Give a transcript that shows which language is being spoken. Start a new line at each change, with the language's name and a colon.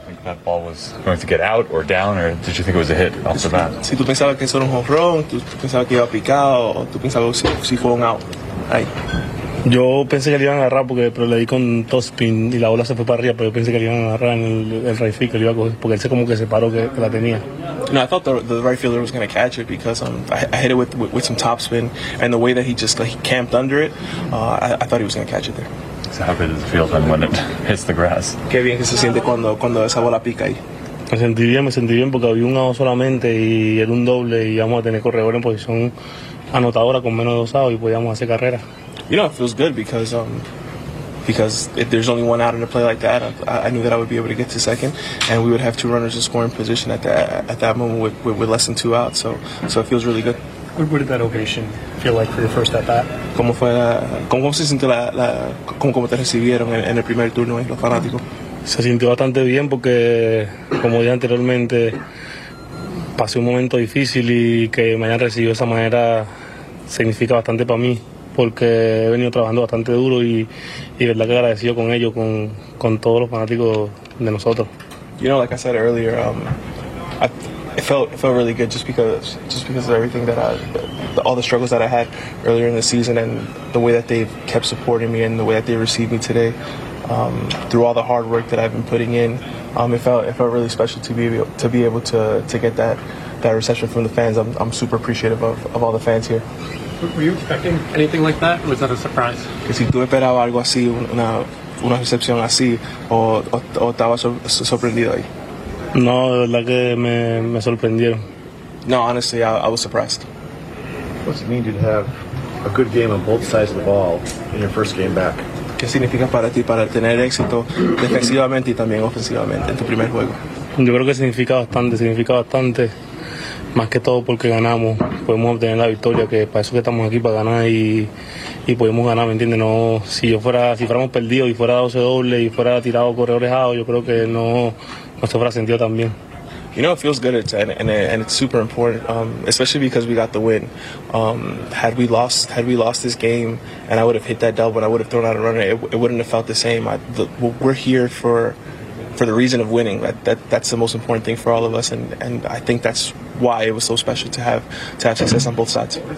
English: that ball was going to get out or down, or did you think it was a hit off the bat?
Spanish: Si tú pensabas que eso era un jonrón, tú pensabas que iba picado, o tú pensabas si fue un out. Ay. Yo pensé que le iban a agarrar porque pero le di con topspin y la bola se fue para arriba, pero yo pensé que le iban a agarrar en el right field, que le iba a coger porque él se como que se paró que la tenía.
English: No, I thought the right fielder was going to catch it because I hit it with some topspin and the way that he just like he camped under it, I thought he was going to catch it there. So how good does it feel then when it hits the grass?
Spanish: Qué bien que se siente cuando esa bola pica ahí. Me sentí bien porque había un out solamente y era un doble y íbamos a tener corredor en posición anotadora con menos de dos outs y podíamos hacer carrera.
English: You know, it feels good because if there's only one out in a play like that, I knew that I would be able to get to second, and we would have two runners in scoring position at that moment with less than two outs. So it feels really good. What did that ovation feel like for your first at bat?
Spanish: ¿Cómo fue cómo se sintió cómo te recibieron en el primer turno los fanáticos? Se sintió bastante bien porque, como dije anteriormente, pasé un momento difícil y que me hayan recibido de esa manera significa bastante para mí. Porque he venido trabajando bastante duro y verdad que agradecido con ellos, con todos los fanáticos de nosotros.
English: You know, like I said earlier, it felt really good just because of everything that all the struggles that I had earlier in the season and the way that they've kept supporting me and the way that they received me today, through all the hard work that I've been putting in, it felt really special to be able to get that reception from the fans. I'm super appreciative of all the fans here. Were you expecting anything like that, or was that a surprise?
Spanish: Que si tú esperabas algo así, una recepción así, o estabas sorprendido ahí. No, de verdad que me sorprendieron.
English: No, honestly, I was surprised. What's it mean to have a good game on both sides of the ball in your first game back?
Spanish: ¿Qué significa para ti para tener éxito defensivamente y también ofensivamente en tu primer juego? Yo creo que significa bastante. Más que todo porque ganamos, podemos obtener la victoria, que para eso que estamos aquí, para ganar y podemos ganar, ¿me entiendes? No, si fuéramos perdidos y fuera 12 doble y fuera tirado corredores a, yo creo que no se fuera sentido tan bien.
English: You know, it feels good, and it's super important, especially because we got the win. Had we lost this game, and I would have hit that double, and I would have thrown out a runner, it wouldn't have felt the same. We're here for the reason of winning. That's the most important thing for all of us, and I think that's why it was so special to have success on both sides.